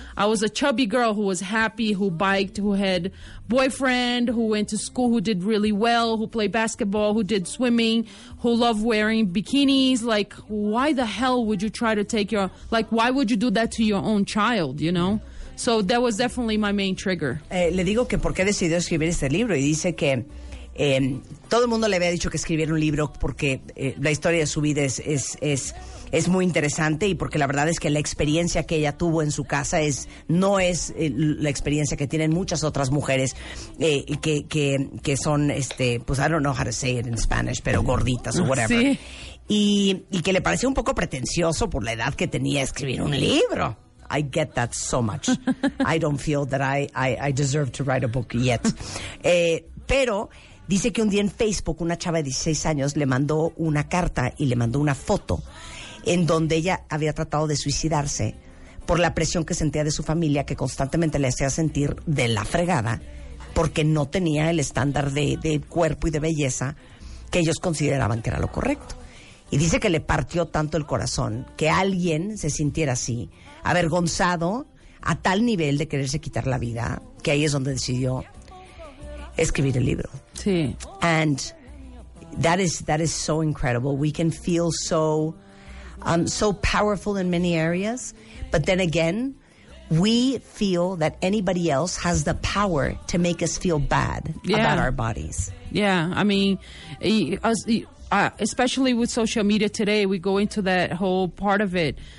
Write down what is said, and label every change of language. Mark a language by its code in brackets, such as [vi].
[en] I was a chubby girl who was happy, who biked, who had boyfriend, who went to school, who did really well, who played basketball, who did swimming, who loved wearing bikinis. Like, why the hell would you try to take your... Like, why would you do that to your own child, you know? So that was definitely my main trigger. [es] Le digo que por qué decidió escribir este libro, y dice que... todo el mundo le había dicho que escribiera un libro porque la historia de su vida es muy interesante, y porque la verdad es que la experiencia que ella tuvo en su casa no es la experiencia que tienen muchas otras mujeres que son, pues [en] I don't know how to say it in Spanish, [es] pero gorditas o whatever. Sí. Y que le pareció un poco pretencioso por la edad que tenía escribir un libro. [en] I get that so much. I don't feel that I deserve to write a book yet. [es] Pero... dice que un día en Facebook una chava de 16 años le mandó una carta y le mandó una foto en donde ella había tratado de suicidarse por la presión que sentía de su familia, que constantemente le hacía sentir de la fregada porque no tenía el estándar de cuerpo y de belleza que ellos consideraban que era lo correcto. Y dice que le partió tanto el corazón que alguien se sintiera así, avergonzado a tal nivel de quererse quitar la vida, que ahí es donde decidió escribir el libro. Sí. [en] And that is so incredible. We can feel so so powerful in many areas, but then again, we feel that anybody else has the power to make us feel bad about our bodies. Yeah, I mean, especially with social media today, we go into that whole part of it.